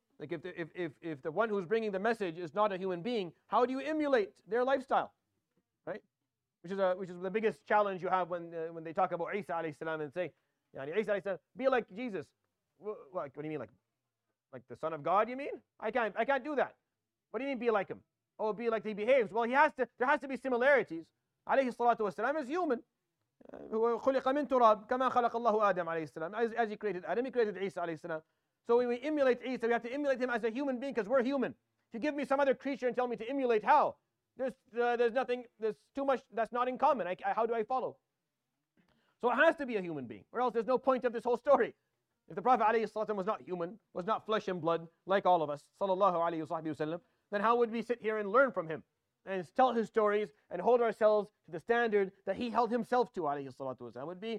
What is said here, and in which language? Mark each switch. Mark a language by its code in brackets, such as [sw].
[en] Like if the one who's bringing the message is not a human being, how do you emulate their lifestyle, right? Which is the biggest challenge you have when they talk about Isa alayhi salam and say, yani Isa alayhi salam, be like Jesus. What do you mean, like the Son of God? You mean I can't do that. What do you mean be like him? Oh, be like he behaves. Well, there has to be similarities. [ar] عليه الصلاة والسلام [en] is human. [ar] هو خلق من تراب كما خلق الله آدم عليه السلام. [en] As he created Adam, he created Isa عليه السلام. So when we emulate Isa, we have to emulate him as a human being because we're human. If you give me some other creature and tell me to emulate, how? There's too much that's not in common. How do I follow? So it has to be a human being, or else there's no point of this whole story. If the Prophet عليه الصلاة والسلام was not human, was not flesh and blood like all of us, [ar] صلى الله عليه وصحبه وسلم, [en] then how would we sit here and learn from him and tell his stories and hold ourselves to the standard that he held himself to, alayhi salatu wasalam?